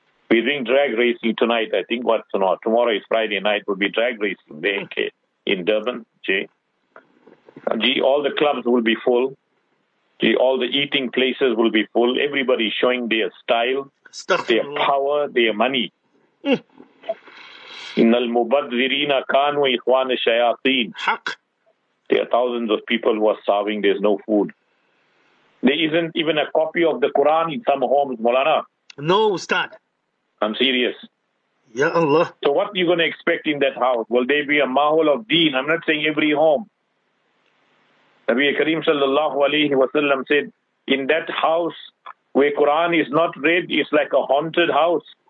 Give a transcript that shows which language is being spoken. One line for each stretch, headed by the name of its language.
English: We're doing drag racing tonight. I think tomorrow is Friday night. We'll be drag racing there in Durban. All the clubs will be full. All the eating places will be full. Everybody showing their style, their power, their money.
Arabic: إن المبذرين كانوا إخوان الشياطين. حق.
English: There are thousands of people who are starving. There's no food. There isn't even a copy of the Quran in some homes, Molana. No, Ustad. I'm serious. Ya Allah. So what are you going to expect in that house? Will there be a mahol of deen? I'm not saying every home. Nabi Karim sallallahu alayhi wa sallam said, in that house where Quran is not read, it's like a haunted house.